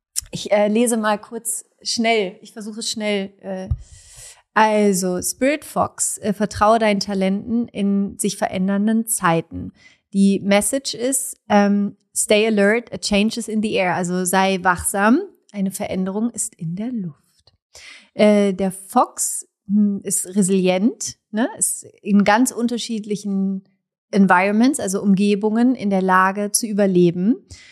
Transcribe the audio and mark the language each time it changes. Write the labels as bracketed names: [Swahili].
[German] Ich lese mal kurz schnell. Ich versuche es schnell. Also, Spirit Fox, vertraue deinen Talenten in sich verändernden Zeiten. Die Message ist, [English] stay alert, a change is in the air. [German] Also sei wachsam, eine Veränderung ist in der Luft. Der Fox ist resilient, ne, ist in ganz unterschiedlichen Environments, also Umgebungen, in der Lage zu überleben.